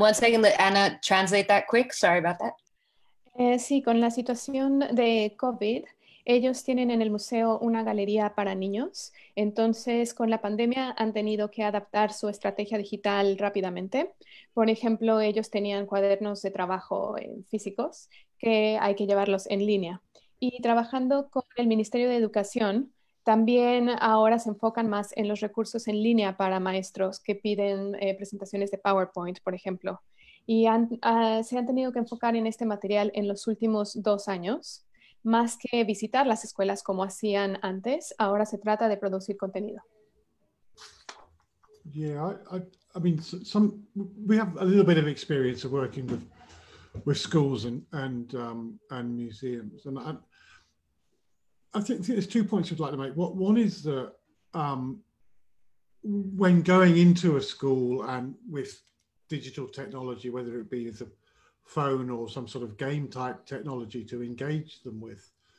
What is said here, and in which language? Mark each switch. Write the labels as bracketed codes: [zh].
[en] one second, let Anna translate that quick, sorry about that. [es] Sí, con la situación de COVID, ellos tienen en el museo una galería para niños. Entonces, con la pandemia han tenido que adaptar su estrategia digital rápidamente. Por ejemplo, ellos tenían cuadernos de trabajo físicos que hay que llevarlos en línea. Y trabajando con el Ministerio de Educación, también ahora se enfocan más en los recursos en línea para maestros que piden presentaciones de PowerPoint, por ejemplo. Y se han tenido que enfocar en este material en los últimos 2 años, más que visitar las escuelas como hacían antes. Ahora se trata de producir contenido. [en] We have a little bit of experience of working with schools and museums, and I think there's 2 points I'd like to make. One is that when going into a school and with digital technology, whether it be the phone or some sort of game type technology to engage them with,